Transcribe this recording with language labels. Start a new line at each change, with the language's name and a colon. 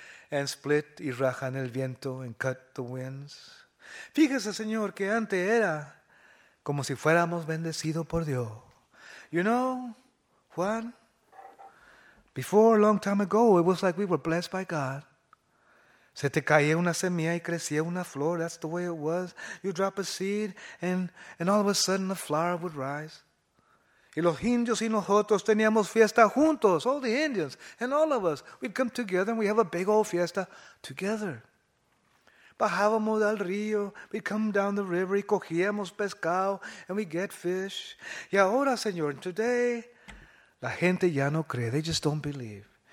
English: And split
Spanish: y rajan el viento
English: and cut the winds.
Spanish: Fíjese, señor, que antes era como si fuéramos bendecido por Dios.
English: You know, Juan? Before, a long time ago, it was like we were blessed by God.
Spanish: Se te caía una semilla y crecía una flor.
English: That's the way it was. You drop a seed, and all of a sudden, a flower would rise.
Spanish: Y los indios y nosotros teníamos fiesta juntos.
English: All the Indians and all of us. We'd come together, and we'd have a big old fiesta together.
Spanish: Bajábamos del río.
English: We'd come down the river.
Spanish: Y cogíamos pescado,
English: and we'd get fish.
Spanish: Y ahora, Señor,
English: today,
Spanish: la gente ya no cree,
English: they just don't believe.